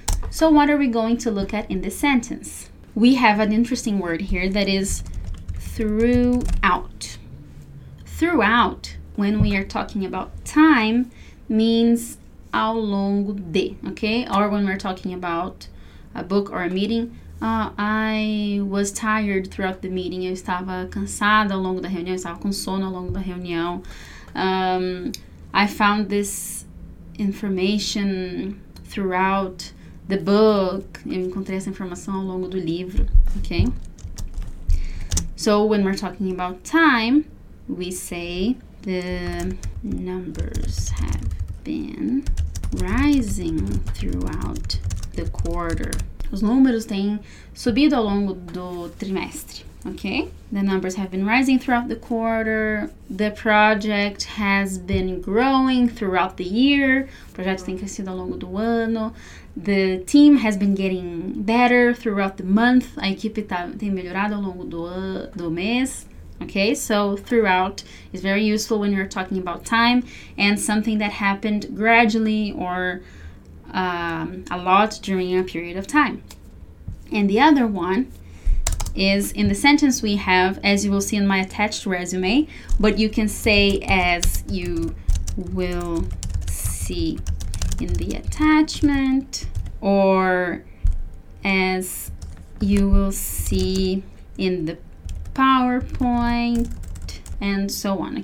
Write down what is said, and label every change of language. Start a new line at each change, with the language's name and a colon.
English: So what are we going to look at in this sentence? We have an interesting word here that is throughout. Throughout, when we are talking about time, means
Portuguese: ao longo de,
English: okay? Or when we're talking about a book or a meeting, I was tired throughout the meeting.
Portuguese: Eu estava cansada ao longo da reunião. Eu estava com sono ao longo da reunião.
English: I found this information throughout the book.
Portuguese: Eu encontrei essa informação ao longo do livro, okay?
English: So when we're talking about time, we say the numbers have been rising throughout the quarter.
Portuguese: Os números têm subido ao longo do trimestre, okay?
English: The numbers have been rising throughout the quarter. The project has been growing throughout the year.
Portuguese: O projeto tem crescido ao longo do ano.
English: The team has been getting better throughout the month.
Portuguese: A equipe tem melhorado ao longo do mês.
English: Okay, so throughout is very useful when you're talking about time and something that happened gradually or a lot during a period of time. And the other one is in the sentence we have, as you will see in my attached resume, but you can say as you will see in the attachment or as you will see in the PowerPoint and so on.